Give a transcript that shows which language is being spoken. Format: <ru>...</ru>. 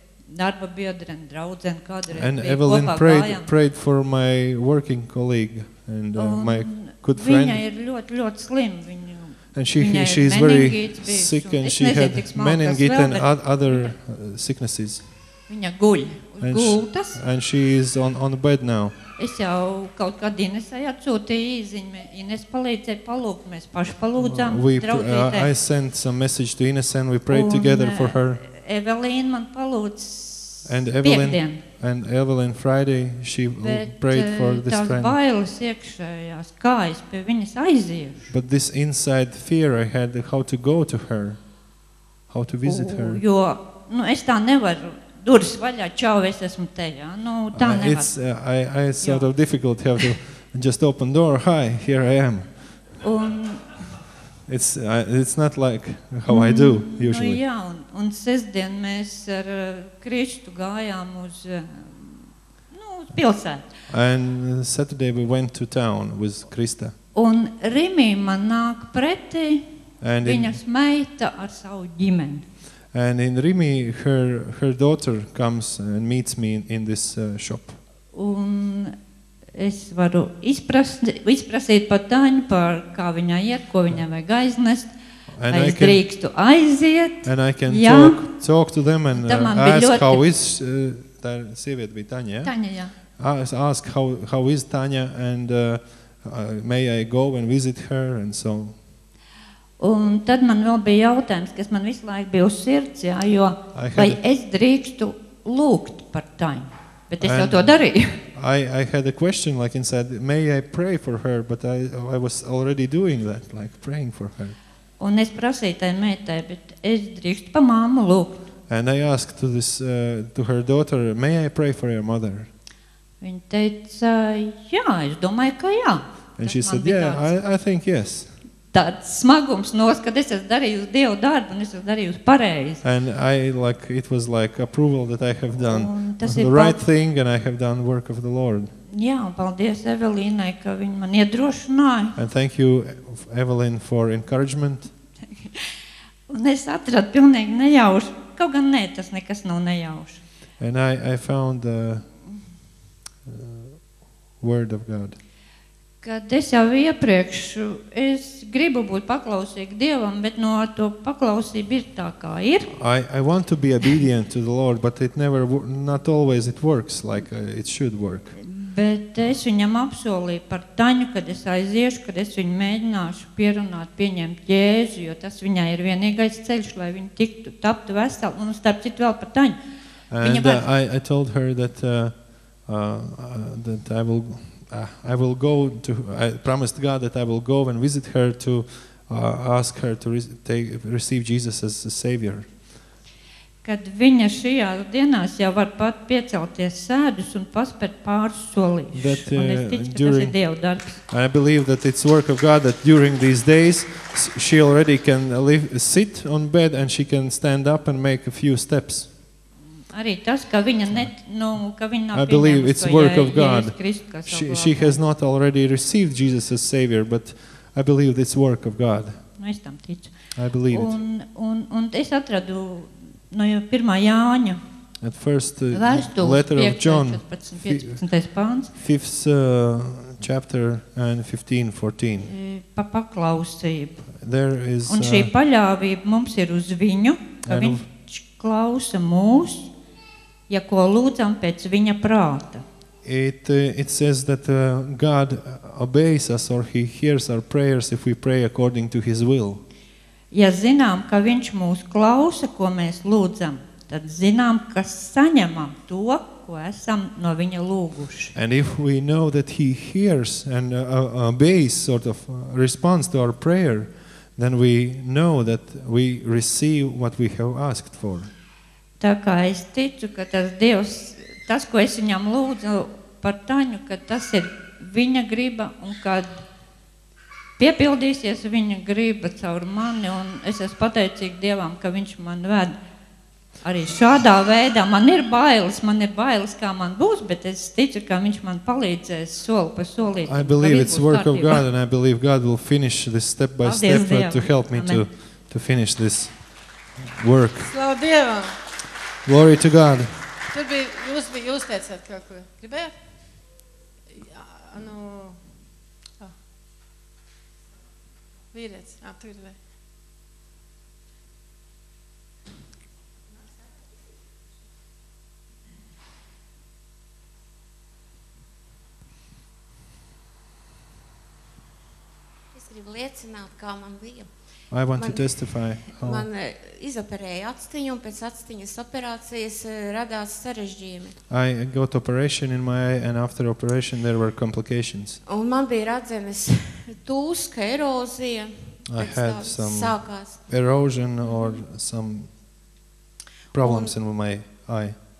<lv>Darba biedri un draudzeni kādreiz</lv> <en>And Evelyn prayed for my working colleague and my good friend.</en> <lv>Viņa ir ļoti, ļoti slim.</lv> <en>And she is very sick and she had meningitis and other sicknesses.</en> <lv>Viņa guļ. Gultas.</lv> <en>And she is on the bed now.</en> <lv>Es jau kaut kādi Inesai atsūtīju īziņu. Ines palīdzēja palūk. Mēs paši palūdzām</lv> <en>I sent some message to Ines and we prayed together for her.</en> <lv>Evelyn man palūdz piekdien.</lv> <en>And Evelyn Friday, she prayed for this friend.</en> <lv>Bet tās bailes iekšējās, kā es pie viņas aiziešu.</lv> <en>But this inside fear I had, how to go to her, how to visit her.</en> <lv>Jo, nu es tā nevaru, durs vaļā, čau, es esmu te, jā, nu tā nevaru.</lv> <en>It's, I sort of difficult have to just open door, hi, here I am.</en> <lv>Un...</lv> <en>It's not like how I do usually.</en> <lv>Jā, un sestdien mēs ar Kristu gājām uz uz pilsētu.</lv> <en>And Saturday we went to town with Krista.</en> <lv>Un Rimī man nāk pretī viņas meita ar savu ģimeni.</lv> <en>And in Rimī her daughter comes and meets me in this shop.</en> <lv>Un es varu izprasīt pa Taņu, par kā viņai iet, ko viņai vajag aiznest.</lv> <en>And</en> <lv>es drīkstu aiziet.</lv> <en>And I can talk to them and ask how is</en> <lv>tā sieviete bija Taņa, ja? Taņa, jā.</lv> <en>I ask how is Taņa and may I go and visit her and so.</en> <lv>Un tad man vēl bija jautājums, kas man visu laiku bija uz sirds, jā, jo vai es drīkstu lūgt par Taņu, bet es jau to darīju.</lv> <en>I had a question like inside, may I pray for her, but I was already doing that, like praying for her.</en> <lv>Un es prasīju tai meitai, bet es drīkstu par mammu lūgt.</lv> <en>And I asked to this to her daughter, may I pray for your mother?</en> <lv>Viņa teica, jā, es domāju, ka jā.</lv> <en>And she said, yeah, I think yes.</en> <lv>Tāds smagums nos, kad es esmu darījusi Dievu darbu un es esmu darījusi pareizi.</lv> <en>And I, like, it was like approval that I have done the right thing and I have done work of the Lord.</en> <lv>Jā, paldies Evelīnai, ka viņa man iedrošināja.</lv> <en>And thank you, Evelyn, for encouragement.</en> <lv>Un es atradu pilnīgi nejauši. Kaut gan nē, tas nekas nav nejauši.</lv> <en>And I found the word of God.</en> <lv>Kad es jau iepriekš, es gribu būt paklausīgi Dievam, bet no to paklausība ir tā, kā ir.</lv> <en>I want to be obedient to the Lord, but it never, not always it works like it should work.</en> <lv>Bet es viņam apsolīju par Taņu, kad es aiziešu, kad es viņu mēģināšu pierunāt, pieņemt Jēzu, jo tas viņai ir vienīgais ceļš, lai viņa tiktu taptu veseli, un starp citu vēl par Taņu.</lv> <en>And I told her that that I will go to, I promised God that I will go and visit her to ask her to receive Jesus as a savior.</en> <lv>Kad viņa šajā dienās jau var pat piecelties sēdus un paspert pāris solīšus. Un es ticu, ka tas ir Dieva darbs.</lv> <en>I believe that it's work of God that during these days she already can sit on bed and she can stand up and make a few steps.</en> <lv>Arī tas, ka viņa ka viņa nav pieņemts, ka Jēzus Kristus kā savu glābēju.</lv> <en>She has not already received Jesus as Savior, but I believe it's work of God.</en> <lv>Nu, es tam ticu.</lv> <en>I believe it.</en> <lv>Un es atradu no pirmā Jāņa.</lv> <en>At first letter of John, 15. pāns. Fifth chapter and 15:14.</en> <lv>Pa paklausību.</lv> <en>There is,</en> <lv>un šī paļāvība mums ir uz viņu, ka viņš klausa mūs, ja ko lūdzam pēc viņa prāta.</lv> <en>It says that God obeys us or he hears our prayers if we pray according to his will.</en> <lv>Ja zinām, ka viņš mūs klausa, ko mēs lūdzam, tad zinām, ka saņemam to, ko esam no viņa lūguši.</lv> <en>And if we know that he hears and obeys sort of response to our prayer, then we know that we receive what we have asked for.</en> <lv>Tā kā es ticu, ka tas Dievs, tas, ko es viņam lūdzu par Taņu, ka tas ir viņa griba un kad piepildīsies viņa griba caur mani, un es esmu pateicīgi Dievam, ka viņš man ved arī šādā veidā. Man ir bailes, kā man būs, bet es ticu, ka viņš man palīdzēs soli pa solī.</lv> <en>I believe it's work of God, and I believe God will finish this step by step to help me to finish this work.</en> <lv>Slavu Dievam!</lv> <en>Glory to God!</en> <lv>Tur bija, jūs teicāt kaut ko. Gribējāt? Jā, nu... Vīrēts, jā, tu ir vēl. Es gribu liecināt, kā man bija.</lv> <en>I want to testify.</en> <lv>Man izoperēja actiņu un pēc actiņas operācijas radās sarežģījumi.</lv> <en>I got operation in my eye and after operation there were complications.</en> <lv>Un man bija radzenes tūska erozija.</lv> <en>I had some erosion or some problems in my eye.</en>